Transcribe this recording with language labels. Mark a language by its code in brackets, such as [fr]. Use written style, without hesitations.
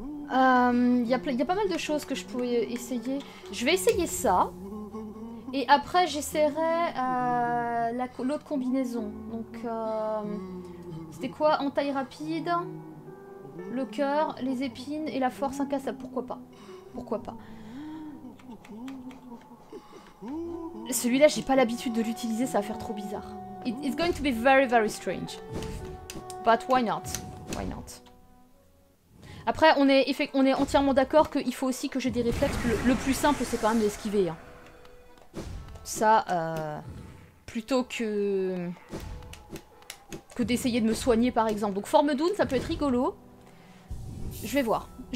[fr] Il y a pas mal de choses que je pourrais essayer. Je vais essayer ça, et après j'essaierai l'autre combinaison. Donc... c'était quoi? En taille rapide, le cœur, les épines et la force incassable. Pourquoi pas? Pourquoi pas? Celui-là, j'ai pas l'habitude de l'utiliser, ça va faire trop bizarre. [en] It's going to be very very strange. But why not? Why not? [fr] Après, on est entièrement d'accord qu'il faut aussi que j'ai des réflexes. Le plus simple, c'est quand même d'esquiver. Hein. Ça, plutôt que... Que d'essayer de me soigner par exemple. Donc forme d'une, ça peut être rigolo. Je vais voir.